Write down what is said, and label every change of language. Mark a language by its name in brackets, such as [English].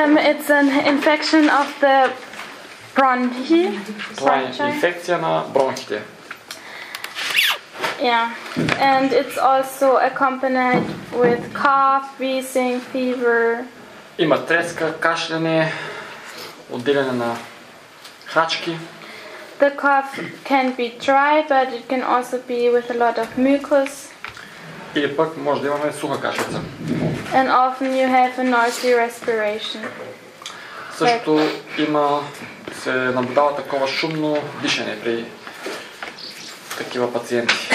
[English] It's an infection of the bronchi. [Bulgarian] Това е инфекция на бронхите. [English] Yeah, and it's also accompanied with cough, wheezing, fever. [Bulgarian] Има треска, кашляне, отделяне на храчки. [English] The cough can be dry, but it can also be with a lot of mucus. [Bulgarian] Или пък може да имаме суха кашлица. [English] And often you have a noisy respiration. [Bulgarian] Също има, се наблюдава такова шумно дишане при такива пациенти.